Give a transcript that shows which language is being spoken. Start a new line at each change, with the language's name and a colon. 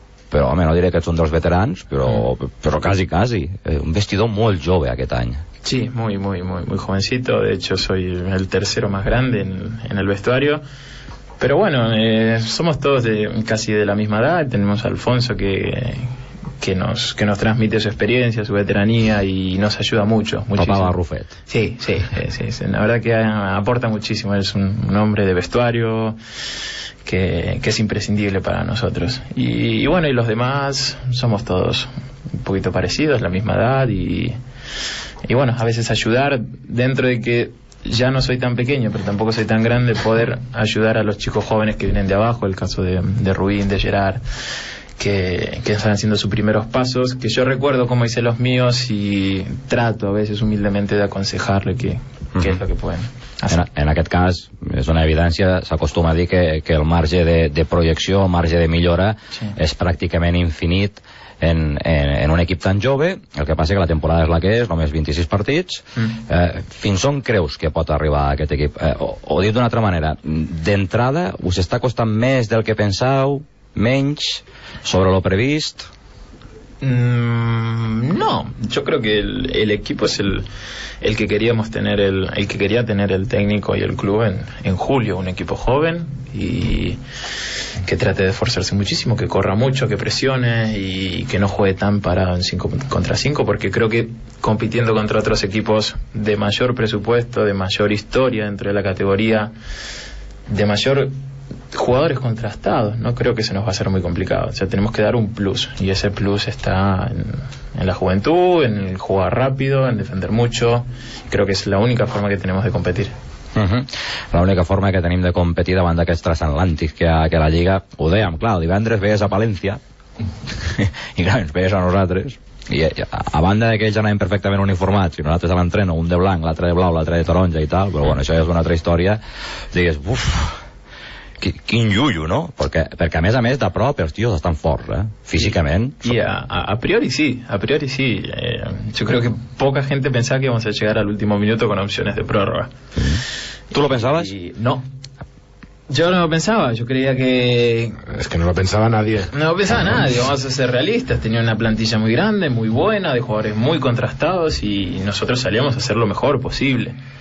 Catalan: Però, home, no diré que ets un dels veterans, però, però quasi, quasi. Un vestidor molt jove aquest any.
Spanish: Sí, muy, muy, muy, muy jovencito. De hecho, soy el tercero más grande en el vestuario. Pero bueno, somos todos de, casi de la misma edad. Tenemos a Alfonso que nos transmite su experiencia, su veteranía y nos ayuda mucho, muchísimo. Papá Barrufet. Sí, sí, sí, sí. La verdad que aporta muchísimo. Es un hombre de vestuario que es imprescindible para nosotros. Y bueno, y los demás somos todos un poquito parecidos, la misma edad y bueno, a veces ayudar dentro de que ya no soy tan pequeño, pero tampoco soy tan grande, poder ayudar a los chicos jóvenes que vienen de abajo, el caso de Rubín, de Gerard, que están haciendo sus primeros pasos, que yo recuerdo cómo hice los míos y trato a veces humildemente de aconsejarle que qué es lo que pueden hacer.
Catalan: En aquest cas, és una evidència, s'acostuma a dir que el marge de projecció, el marge de millora, sí, és pràcticament infinit. En un equip tan jove, el que passa que la temporada és la que és, només 26 partits, fins on creus que pot arribar aquest equip? O dit d'una altra manera, d'entrada, us està costant més del que pensau, menys, sobre lo previst?
Spanish: No, yo creo que el equipo es el que queríamos tener, el que quería tener el técnico y el club en julio, un equipo joven y que trate de esforzarse muchísimo, que corra mucho, que presione y que no juegue tan parado en 5 contra 5, porque creo que compitiendo contra otros equipos de mayor presupuesto, de mayor historia dentro de la categoría, de mayor jugadores contrastados, no creo que se nos va a hacer muy complicado. O sea, tenemos que dar un plus, y ese plus está en la juventud, en el jugar rápido, en defender mucho. Creo que es la única forma que tenemos de competir.
Catalan: La única forma que tenim de competir davant d'aquest transatlàntic que la Lliga, ho dèiem, clar, divendres veies a Palencia i clar, ens veies a nosaltres i a banda que ells anaven perfectament uniformats i nosaltres a l'entreno, un de blanc, l'altre de blau, l'altre de taronja i tal, però bueno, això ja és una altra història, digues, uf, quin llullo, no? Perquè a més, de prop, els tios estan forts, físicament. I a priori sí.
Spanish: Yo creo que poca gente pensaba que íbamos a llegar al último minuto con opciones de prórroga. ¿Tú lo pensabas? No. Yo no lo pensaba, yo creía que... Es que no lo pensaba nadie. No lo pensaba nadie, vamos a ser realistas. Tenía una plantilla muy grande, muy buena, de jugadores muy contrastados y nosotros salíamos a hacer lo mejor posible.